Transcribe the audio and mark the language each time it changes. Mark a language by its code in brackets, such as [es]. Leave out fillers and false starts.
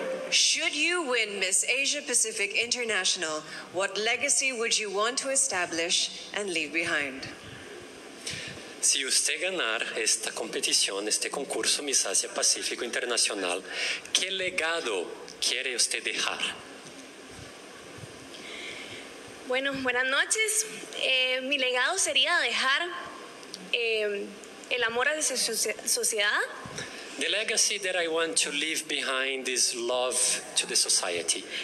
[en] Should you win Miss Asia Pacific International, what legacy would you want to establish and leave behind? [pt] Se você ganhar esta competição, este concurso Miss Asia Pacífico Internacional, que legado [es] quiere usted dejar? Bueno, buenas noches. Mi legado sería dejar el amor a esa sociedad. [en] The legacy that I want to leave behind is love to the society.